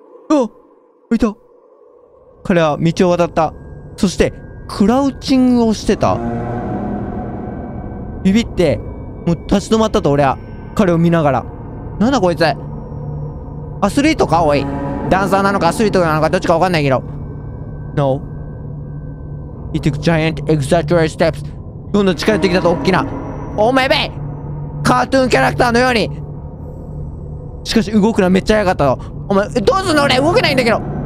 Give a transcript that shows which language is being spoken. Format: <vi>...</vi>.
<ja>ノー！あ、いた。彼は道を渡った。そして、クラウチングをしてた。ビビって、もう立ち止まったと俺は、彼を見ながら。なんだこいつ。アスリートか、おい。ダンサーなのかアスリートなのかどっちかわかんないけど。</ja> <en>No. He took giant exaggerated steps.</en> <ja>どんどん近寄ってきたと大きな。おめべ！カートゥーンキャラクターのように。しかし動くのはめっちゃ早かったと。お前、どうすんの俺動けないんだけど。</ja>